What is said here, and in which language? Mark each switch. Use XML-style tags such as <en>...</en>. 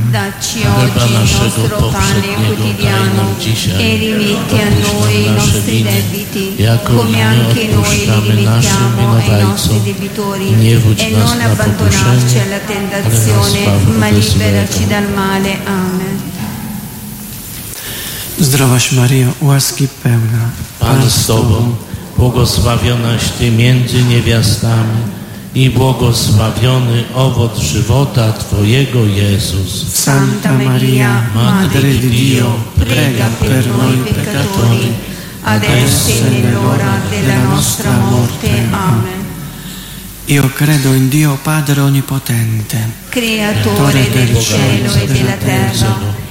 <it>Dacci oggi il nostro pane quotidiano e rimetti a noi i nostri debiti, come anche noi rimettiamo ai nostri debitori, e non abbandonarci alla tentazione, ma liberaci dal male. Amen.</it> <pl>Zdrowaś Maria, łaski pełna, Pan z Tobą, błogosławionaś Ty między niewiastami i błogosławiony owoc żywota Twojego, Jezus.</pl> <it>Santa Maria, Madre di Dio, prega per noi peccatori, adesso e nell'ora della nostra morte. Amen. Io credo in Dio Padre Onnipotente, Creatore del cielo e della terra,</it>